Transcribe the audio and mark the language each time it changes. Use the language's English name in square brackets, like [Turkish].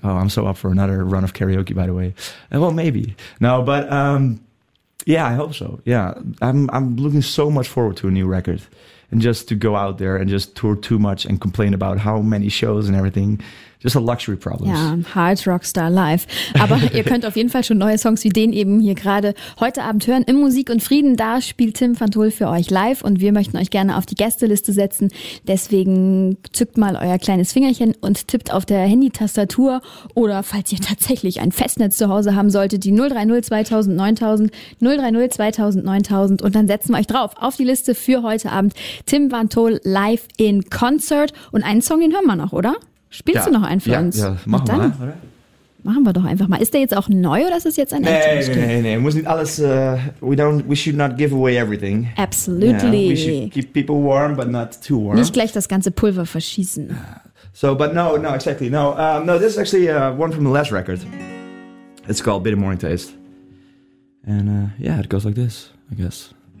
[English] Oh, I'm so up for another run of karaoke, by the way. Well, maybe. No, but yeah, I hope so. Yeah, I'm looking so much forward to a new record. And just to go out there and just tour too much and complain about how many shows and everything. Just a luxury problem. Ja, hard rockstar life. [German] Aber ihr könnt auf jeden Fall schon neue Songs wie den eben hier gerade heute Abend hören. Im Musik und Frieden, da spielt Tim van't Hul für euch live. Und wir möchten euch gerne auf die Gästeliste setzen. Deswegen zückt mal euer kleines Fingerchen und tippt auf der Handy-Tastatur. Oder falls ihr tatsächlich ein Festnetz zu Hause haben solltet, die 030-2000-9000 und dann setzen wir euch drauf auf die Liste für heute Abend. Tim van't Hul live in Concert. Und einen Song, den hören wir noch, oder? Spielst du noch einen für uns? Ja, machen wir. Machen wir doch einfach mal. Ist der jetzt auch neu oder ist es jetzt ein älteres Stück? Nee. Muss nicht alles, [English] we should not give away everything. Absolutely. Yeah, we should keep people warm, but not too warm. [German] Nicht gleich das ganze Pulver verschießen. [English] So, but no, exactly. No, no, this is actually one from the last record. It's called Bitter Morning Taste. And yeah, it goes like this, I guess.